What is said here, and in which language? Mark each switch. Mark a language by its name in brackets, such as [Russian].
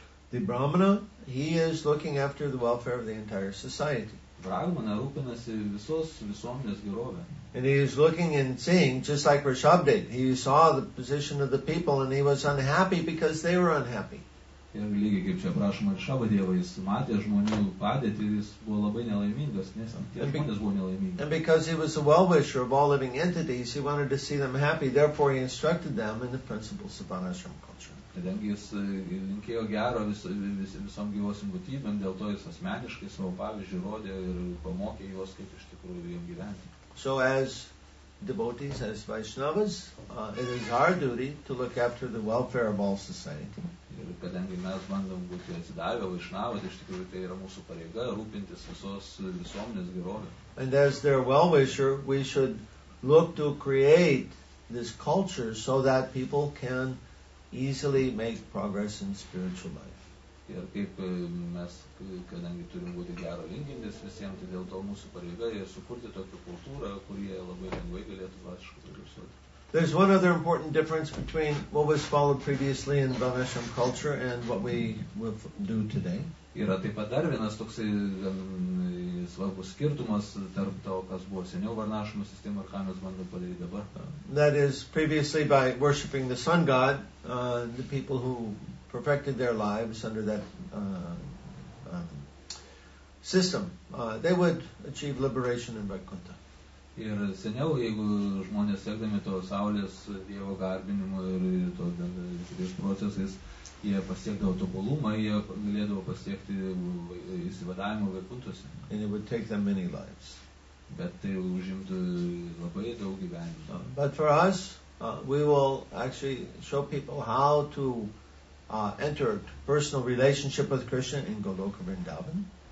[English] The Brahmana, he is looking after the welfare of the entire society. [Lithuanian] Brahmana rūpinasi visos visuomenės gerovė. [English] And he is looking and seeing, just like Rishabdev, he saw the position of the people and he was unhappy because they were unhappy. [Lithuanian] Ir lygiai kaip čia prašoma Rishabdeva, jis matė žmonių padėtį ir jis buvo labai nelaimingas, nes žmonės buvo nelaimingi. [English] And because he was a well-wisher of all living entities, he wanted to see them happy, therefore he instructed them in the principles of Varnashrama culture. [Lithuanian] Kadangi jis linkėjo gero visom gyvosim būtybėm, dėl to jis asmeniškai savo pavyzdžių rodė ir pamokė juos, kaip iš tikrųjų jiems gyventi. [English] So as devotees, as Vaishnavas, it is our duty to look after the welfare of all society. [Lithuanian] Ir kadangi mes bandom būti atsidavę Vaishnavas, iš tikrųjų tai yra mūsų pareiga rūpintis visos visuomenės gerovė. [English] And as their well-wisher, we should look to create this culture so that people can easily make progress in spiritual life. [Lithuanian] Ir kaip mes, kadangi turim būti gero linkintis visiems, tai dėl to mūsų pareiga yra sukurti tokią kultūrą, kurie labai lengvai galėtų vaškų progresuoti. [English] There's one other important difference between what was followed previously in Varnashrama culture and what we will do today. [Lithuanian] Yra taip pat dar vienas toksai svarbus skirtumas tarp to, kas buvo seniau Varnašrama sistema ir ką mes bandom padaryti dabar. [English] That is, previously by worshipping the sun god, the people who perfected their lives under that system, they would achieve liberation in Vaikuntha. [Lithuanian] Ir seniau, jeigu žmonės sekdami to saulės dievo garbinimo ir to šitais procesais, jie pasiekdavo tobulumą, jie galėdavo pasiekti įsivadavimo Vaikuntose. [English] And it would take them many lives. [Lithuanian] Bet tai užimtų labai daug gyvenimo. [English] But for us, we will actually show people how to enter personal relationship with Krishna in Goloka Vrindavan.